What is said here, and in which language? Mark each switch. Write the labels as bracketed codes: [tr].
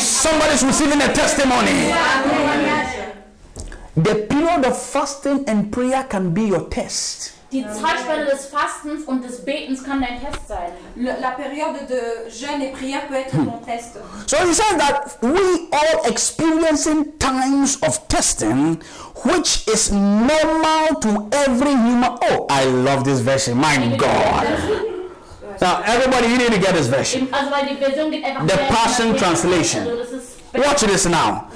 [en] Somebody is receiving a testimony. The period of fasting and prayer can be your test. [de] Die Zeitspanne des Fastens und des Betens kann dein Test sein. [fr] La période de jeûne et prière peut être mon test. [en] So he says that we are experiencing times of testing, which is normal to every human. Oh, I love this version. My God. Now, everybody, you need to get this version. The Passion Translation. Watch this now.